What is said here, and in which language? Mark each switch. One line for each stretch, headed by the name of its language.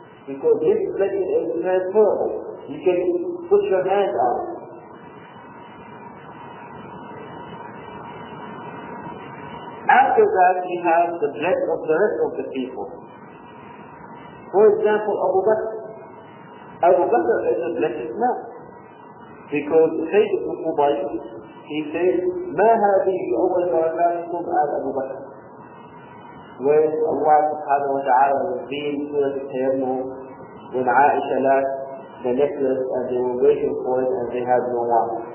English: Because his blessing is transferable. You can put your hand on it. After that, we have the blessing of the rest of the people. For example, Abu Bakr. Abu Bakr is a blessed man. Because Sayyid ibn Ubayy, he says,
Arabic: مَا هَذِي بِأَوَّلِ بَرَكَاتِكُمْ آلَ أَبُو بَكْرٍ.
English: When Allah subhanahu wa ta'ala revealed Surah Al-Tayammum, when Aisha left the necklace and they were waiting for it and they had no one.